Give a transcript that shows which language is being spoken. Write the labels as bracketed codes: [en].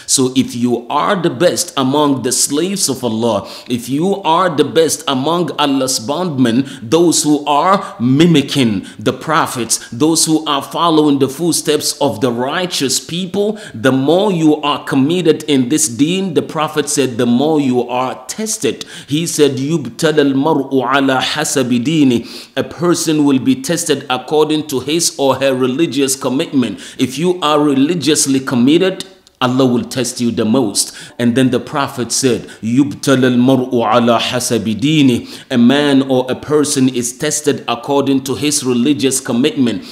[en] So if you are the best among the slaves of Allah, if you are the best among Allah's bondmen, movement, those who are mimicking the prophets, those who are following the footsteps of the righteous people, the more you are committed in this deen, the prophet said, the more you are tested. He said, [ar] يُبْتَلَى الْمَرْءُ عَلَى حَسَبِ دِينِ. [en] A person will be tested according to his or her religious commitment. If you are religiously committed, Allah will test you the most. And then the Prophet said, [ar] يُبْتَلَى الْمَرْءُ عَلَى حَسَبِ دِينِ. [en] A man or a person is tested according to his religious commitment.